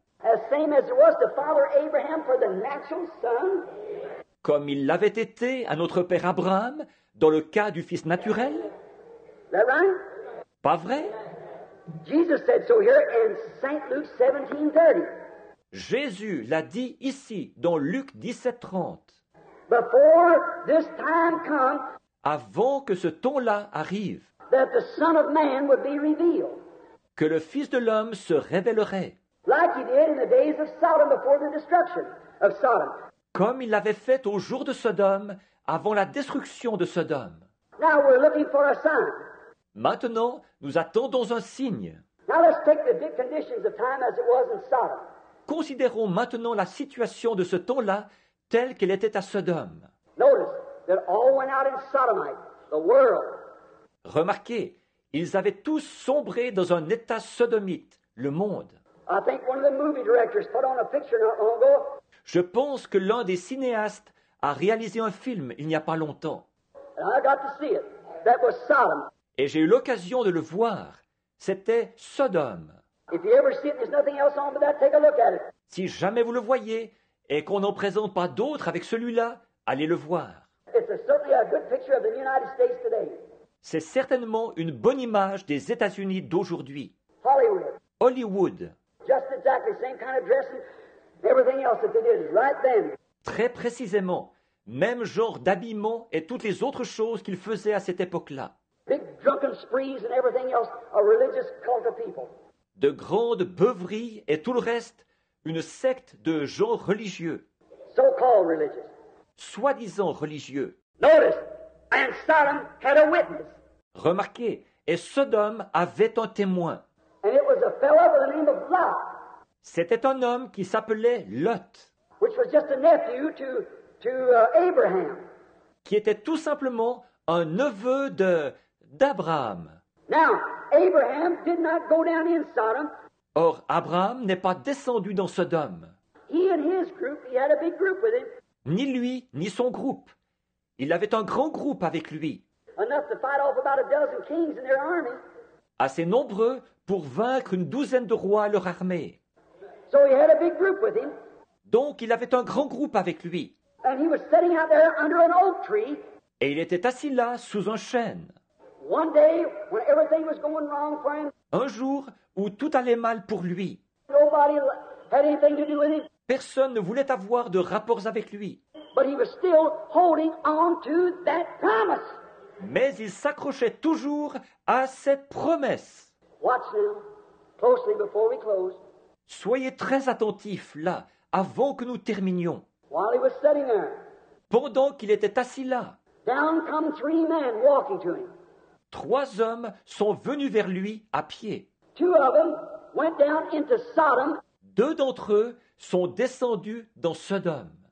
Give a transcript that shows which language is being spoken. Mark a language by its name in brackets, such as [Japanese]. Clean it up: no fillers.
[English] As same as it was to father Abraham for the natural son? [French] Comme il l'avait été à notre père Abraham dans le cas du fils naturel? [English] Is that right? [French] Pas vrai? [English] Jesus said so here in St. Luke 17:30. [French] Jésus l'a dit ici dans Luc 17:30. [English] Before this time comes, [French] avant que ce temps-là arrive, [English] that the Son of Man would be revealed. [French] Que le Fils de l'homme se révélerait. [English] Like he did in the days of Sodom before the destruction of Sodom. [French] Comme il l'avait fait au jour de Sodome, avant la destruction de Sodome. [English] Now we're looking for a sign. [French] Maintenant, nous attendons un signe. [English] Now let's take the conditions of time as it was in Sodom. [French] Considérons maintenant la situation de ce temps-là telle qu'elle était à Sodome. [English] Notice that all went out in Sodomite, the world. [French] Remarquez, ils avaient tous sombré dans un état sodomite, le monde. [English] I think one of the movie directors put on a picture not long ago. [French] Je pense que l'un des cinéastes a réalisé un film il n'y a pas longtemps. [English] And I got to see it. That was Sodom. [French] Et j'ai eu l'occasion de le voir. C'était Sodome. [English] If you ever see it, there's nothing else on but that, take a look at it. [French] Si jamais vous le voyez et qu'on n'en présente pas d'autres avec celui-là, allez le voir. [English] It's certainly a good picture of the United States today. [French] C'est certainement une bonne image des États-Unis d'aujourd'hui. [English] Hollywood. Just exactly the same kind of dressing. Everything else that they did right then. [French] Très précisément, même genre d'habillement et toutes les autres choses qu'ils faisaient à cette époque-là. [English] Big drunken sprees and everything else, a religious cult of people. [French] De grandes beuveries et tout le reste, une secte de gens religieux. [English] So-called religious. [French] Soi-disant religieux. [English] Notice, and Sodom had a witness. [French] Remarquez, et Sodome avait un témoin. [English] And it was a fellow by the name of Lot. [French] C'était un homme qui s'appelait Lot. [English] Which was just a nephew to Abraham. [French] Qui était tout simplement un neveu d'Abraham. [English] Now, Abraham did not go down in Sodom. [French] Or, Abraham n'est pas descendu dans Sodome. [English] He and his group, he had a big group with him. [French] Ni lui, ni son groupe. Il avait un grand groupe avec lui. [English] Enough to fight off about a dozen kings and their army. [French] Assez nombreux pour vaincre une douzaine de rois et leur armée. [English] So he had a big group with him. [French] Donc il avait un grand groupe avec lui. [English] And he was sitting out there under an oak tree. [French] Et il était assis là sous un chêne. [English] One day, when everything was going wrong for him, [French] un jour où tout allait mal pour lui. [English] Nobody had anything to do with it. [French] Personne ne voulait avoir de rapports avec lui. [English] But he was still holding on to that promise. [French] Mais il s'accrochait toujours à cette promesse. [English] Watch now, closely before we close. [French] Soyez très attentifs là, avant que nous terminions. [English] While he was sitting there, [French] pendant qu'il était assis là, [English] down come three men walking to him. [French] Trois hommes sont venus vers lui à pied. [English] Two of them went down into Sodom. [French] Deux d'entre eux sont descendus dans Sodome.